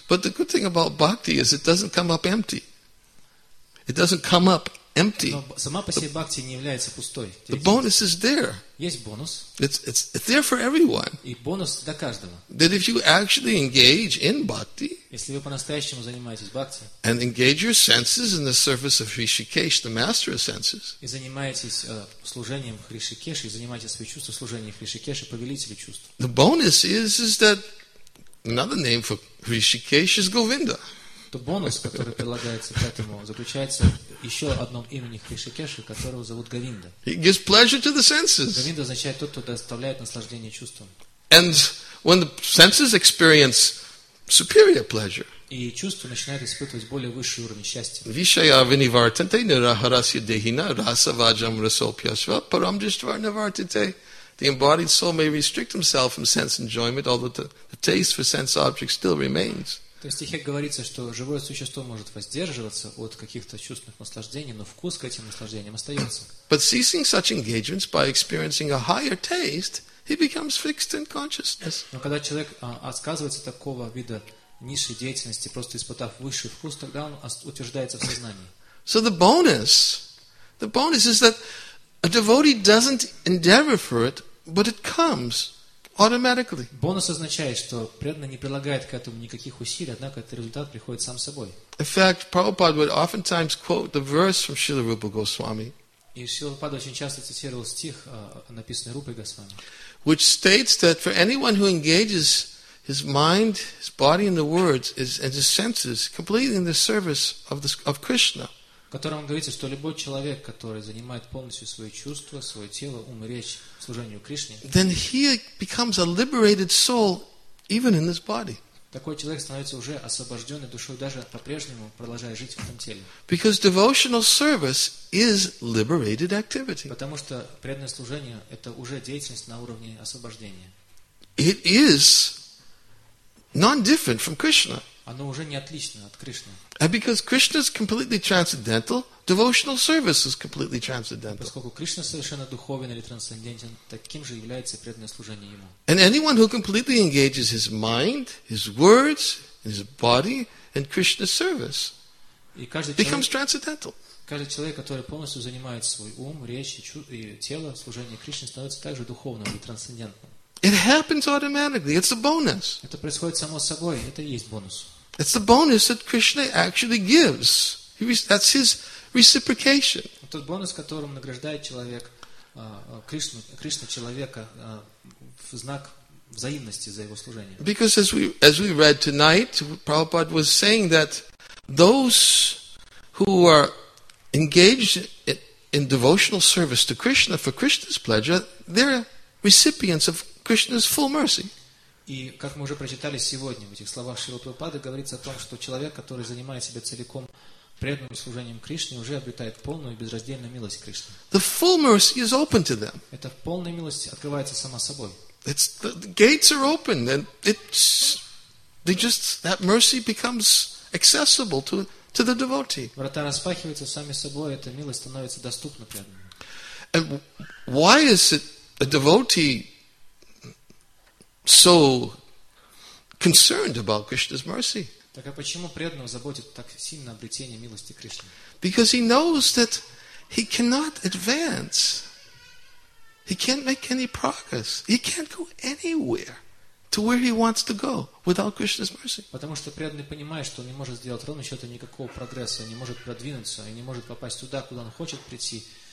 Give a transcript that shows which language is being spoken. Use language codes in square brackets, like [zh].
[en] But the good thing about bhakti is it doesn't come up empty. It doesn't come up empty. [ru] Но сама по себе бхакти не является пустой. [en] The bonus is there. [ru] Есть бонус. [en] It's there for everyone. [ru] И бонус для каждого. [en] That if you actually engage in bhakti, [ru] если вы по-настоящему занимаетесь бхакти, [en] and engage your senses in the service of Hrishikesh, the master of senses, [ru] и занимаетесь служением Хришикеши, и занимаетесь свои чувства служением Хришикеши, повелителю чувств. [en] The bonus is that another name for Hrishikesh is Govinda. [ru] То бонус, который прилагается к этому, заключается в еще одном имени Хришикеши, которого зовут Говинда. [en] He gives pleasure to the senses. [ru] Говинда означает тот, кто доставляет наслаждение чувствам. [en] And when the senses experience superior pleasure. [ru] И чувство начинает испытывать более высший уровень счастья. [sa] Вишая винивартенте нирахарасья дехина расаваджам расопьясва парамджиствар навартенте. [en] The embodied soul may restrict himself from sense enjoyment, although the taste for sense objects still remains. [ru] То есть в стихе говорится, что живое существо может воздерживаться от каких-то чувственных наслаждений, но вкус к этим наслаждениям остается. [en] But ceasing such engagements by experiencing a higher taste, he becomes fixed in consciousness. [ru] Но когда человек отказывается такого вида низшей деятельности, просто испытав высший вкус, тогда он утверждается в сознании. [en] So the bonus is that a devotee doesn't endeavor for it, but it comes. Automatically. [ru] Бонус означает, что преданный не прилагает к этому никаких усилий, однако этот результат приходит сам собой. [en] In fact, Prabhupada would oftentimes quote the verse from Srila Rupa Goswami. [ru] И Srila Prabhupada очень часто цитировал стих, написанный Рупой Госвами. [en] Which states that for anyone who engages his mind, his body and the words and his senses completely in the service of Krishna. [ru] В котором говорится, что любой человек, который занимает полностью свои чувства, свое тело, ум и речь служению Кришне, [en] then he becomes a liberated soul even in this body. [ru] Такой человек становится уже освобожденной душой, даже по-прежнему продолжая жить в этом теле. [en] Because devotional service is liberated activity. [ru] Потому что преданное служение – это уже деятельность на уровне освобождения. [en] It is non-different from Krishna. [ru] Оно уже не отлично от Кришны. [en] And because Krishna is completely transcendental, devotional service is completely transcendental. [ru] Поскольку Кришна совершенно духовен или трансцендентен, таким же является преданное служение ему. [en] And anyone who completely engages his mind, his words, his body in Krishna's service becomes transcendental. [ru] Каждый человек, который полностью занимает свой ум, речь и тело служение Кришне, становится также духовным и трансцендентным. [en] It happens automatically. It's a bonus. [ru] Это происходит само собой. Это и есть бонус. [en] It's the bonus that Krishna actually gives. That's his reciprocation. [ru] Тот бонус, которым награждает человек Кришна человека в знак взаимности за его служение. [en] Because as we read tonight, Prabhupada was saying that those who are engaged in devotional service to Krishna for Krishna's pleasure, they're recipients of Krishna's full mercy. [ru] И как мы уже прочитали сегодня в этих словах Шрилы Прабхупады, говорится о том, что человек, который занимает себя целиком преданным служением Кришне, уже обретает полную и безраздельную милость Кришны. [en] The full mercy is open to them. [ru] Это полная милость открывается сама собой. [en] It's the gates are open and that mercy becomes accessible to the devotee. [ru] Врата распахиваются сами собой, эта милость становится доступна преданному. [en] And why is it a devotee so concerned about Krishna's mercy? [ru] Так а почему преданного заботит так сильно обретение милости Кришны? [en] Because he knows that he cannot advance. He can't make any progress. He can't go anywhere to where he wants to go without Krishna's mercy. [ru] Потому что преданный понимает, что он не может сделать ровным счетом никакого прогресса, не может продвинуться и не может попасть туда, куда он хочет прийти.